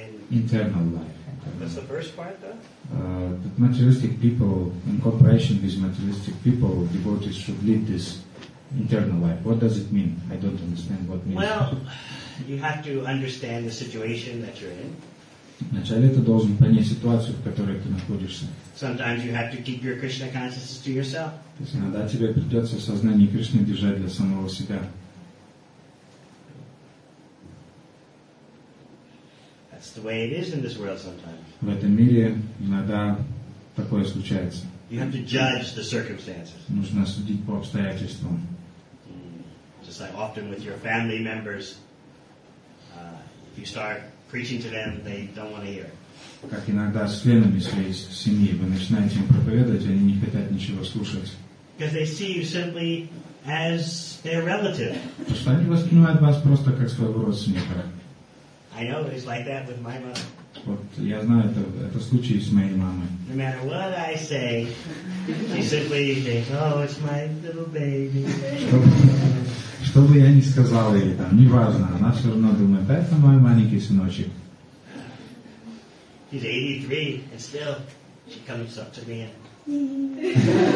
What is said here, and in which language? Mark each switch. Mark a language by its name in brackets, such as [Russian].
[English] Internal life. That's the first part, though. That materialistic people, in cooperation with materialistic people, devotees should lead this internal life. What does it mean? I don't understand what means. Well, you have to understand the situation that you're in. [Russian] Вначале ты должен понять ситуацию, в которой ты находишься. [English] Sometimes you have to keep your Krishna consciousness to yourself. [Russian] То есть иногда тебе придется сознание Кришны держать для самого себя. [English] That's the way it is in this world sometimes. [Russian] В этом мире иногда такое случается. [English] You have to judge the circumstances. [Russian] Нужно судить по обстоятельствам. [English] Just like often with your family members, if you start preaching to them, they don't want to hear. [Russian] Как иногда с членами своей семьи вы начинаете им проповедовать, они не хотят ничего слушать. [English] Because they see you simply as their relative. [Russian] Потому что они воспринимают вас просто как своего родственника. [English] I know it's like that with my mother. [Russian] Вот я знаю это случай с моей мамой. [English] No matter what I say, she simply thinks, "Oh, it's my little baby." [Russian] Что бы я ни сказал ей там, неважно, она все равно думает, это мой маленький сыночек. [English] He's 83, and still she comes up to me and.